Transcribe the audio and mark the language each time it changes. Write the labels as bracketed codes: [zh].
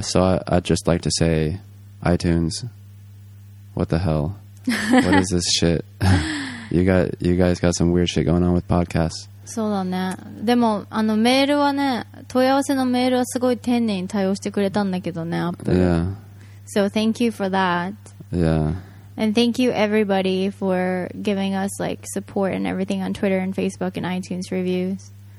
[en] So I'd just like to say, iTunes, what the hell? What is this shit? you guys got some weird shit going on with podcasts. [ja] そうだね。でもあのメールはね、問い合わせのメールはすごい丁寧に対応してくれたんだけどね、アップ。 [en] Yeah. So thank you for that. Yeah. And thank you everybody for giving us like support and everything on Twitter and Facebook and iTunes reviews.、